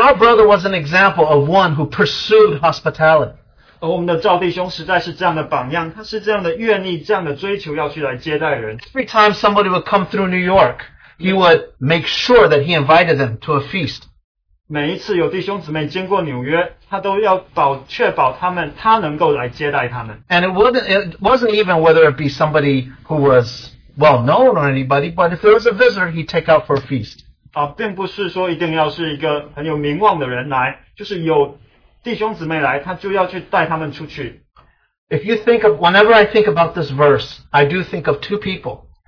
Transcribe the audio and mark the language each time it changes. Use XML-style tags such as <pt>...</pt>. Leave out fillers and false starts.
<en>our brother was an example of one who pursued hospitality.</en> <zh>而我们的赵弟兄实在是这样的榜样，他是这样的愿意，这样的追求要去来接待人。</zh> <en>Every time somebody would come through New York, he would make sure that he invited them to a feast.</en> <zh>每一次有弟兄姊妹经过纽约，他都要确保他能够来接待他们。</zh> <en>And it wasn't even whether it be somebody who was well known or anybody, but if there was a visitor, he'd take out for a feast.</en> <zh>并不是说一定要是一个很有名望的人来，就是有弟兄姊妹来，他就要去带他们出去。</zh> <en>If you think of, whenever I think about this verse, I do think of two people.</en>